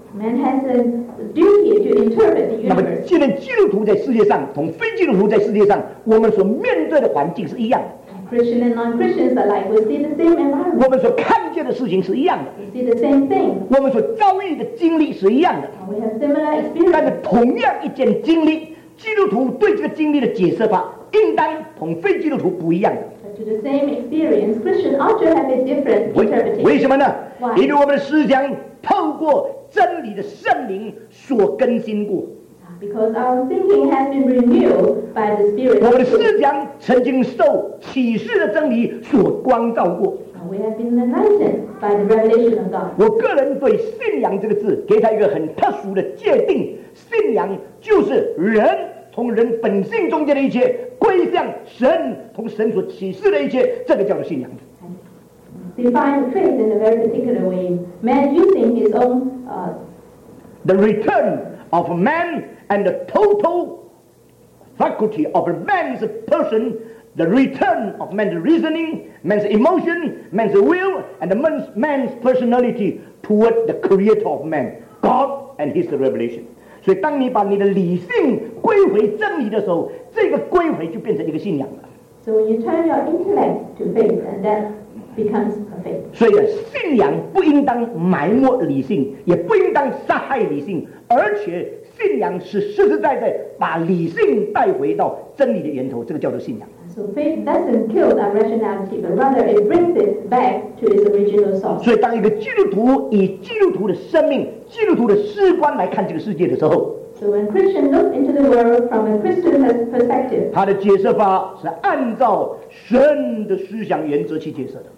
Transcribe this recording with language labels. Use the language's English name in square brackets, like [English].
[English] Man has a duty to interpret the universe. [Chinese] 那么，既然基督徒在世界上同非基督徒在世界上，我们所面对的环境是一样的。 [English] Christian and non-Christians alike, we see the same environment. [Chinese] 我们所看见的事情是一样的。 [English] We see the same thing. [Chinese] 我们所遭遇的经历是一样的。 [English] We have similar experience. [Chinese] 但是同样一件经历，基督徒对这个经历的解释法，应当同非基督徒不一样的。 [English] To the same experience, Christian ought to have a different interpretation. [Chinese] 为什么呢？ 因为我们的思想透过真理的圣灵所更新过。 [English] Because our thinking has been renewed by the Spirit. [Chinese] 我们的思想曾经受启示的真理所光照过。 [English] We have been enlightened by the revelation of God. [Chinese] 我个人对信仰这个字给他一个很特殊的界定，信仰就是人从人本性中间的一切归向神，从神所启示的一切，这个叫做信仰。 [English] Define faith in a very particular way. Man using his own the return of man and the total faculty of man's person, the return of man's reasoning, man's emotion, man's will, and man's personality toward the creator of man, God and his revelation. [Chinese] 所以当你把你的理性归回真理的时候，这个归回就变成一个信仰了。 [English] So when you turn your intellect to faith, and that becomes a faith. [Chinese] 所以信仰不应当埋没理性，也不应当杀害理性，而且信仰是实实在在把理性带回到真理的源头，这个叫做信仰。 [English] So faith doesn't kill our rationality, but rather it brings it back to its original source. [Chinese] 所以当一个基督徒以基督徒的生命、基督徒的视观来看这个世界的时候， [English] So when Christians look into the world from a Christian's perspective, [Chinese] 他的解释法是按照神的思想原则去解释的。